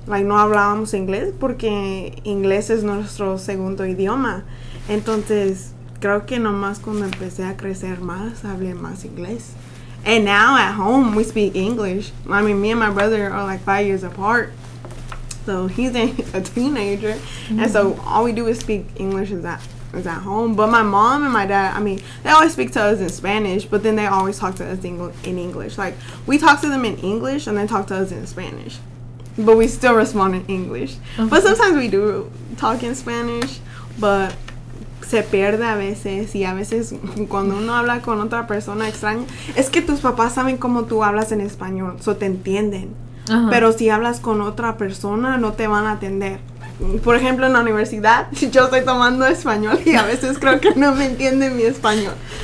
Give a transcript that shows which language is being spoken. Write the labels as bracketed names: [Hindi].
[Spanish] Like, no hablábamos inglés, porque inglés es nuestro segundo idioma. Entonces... Creo que nomás cuando empecé a crecer más, hablé más inglés. [English] And now at home, we speak English. I mean, me and my brother are like 5 years apart. So he's a teenager. Mm-hmm. And so all we do is speak English is at home. But my mom and my dad, I mean, they always speak to us in Spanish, but then they always talk to us in English. Like, we talk to them in English and they talk to us in Spanish. But we still respond in English. Okay. But sometimes we do talk in Spanish, but... [Spanish] Se pierde a veces, y a veces cuando uno habla con otra persona extraña, es que tus papás saben cómo tú hablas en español, so te entienden. Uh-huh. Pero si hablas con otra persona, no te van a atender. Por ejemplo, en la universidad, yo estoy tomando español y a veces creo que no me entienden mi español.